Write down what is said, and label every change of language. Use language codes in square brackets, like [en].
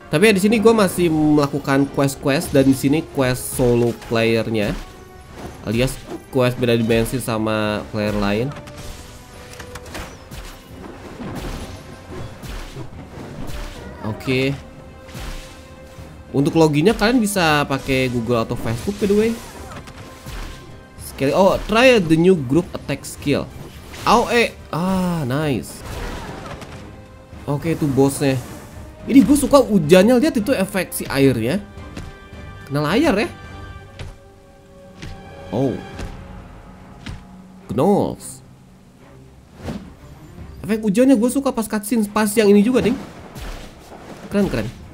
[id] Tapi ya di sini gue masih melakukan quest-quest dan di sini quest solo playernya, alias quest beda dimensi sama player lain. Oke. Untuk loginnya kalian bisa pakai Google atau Facebook [en] by the way. Skill, oh try the new group attack skill. [id] AoE, [en] ah nice. [id] Oke, itu bosnya. Ini gue suka hujannya, lihat itu efek si airnya. Kena layar ya. [en] Oh. Gnolls. [id] Efek hujannya gue suka pas cutscene, pas yang ini juga ding. Keren, keren.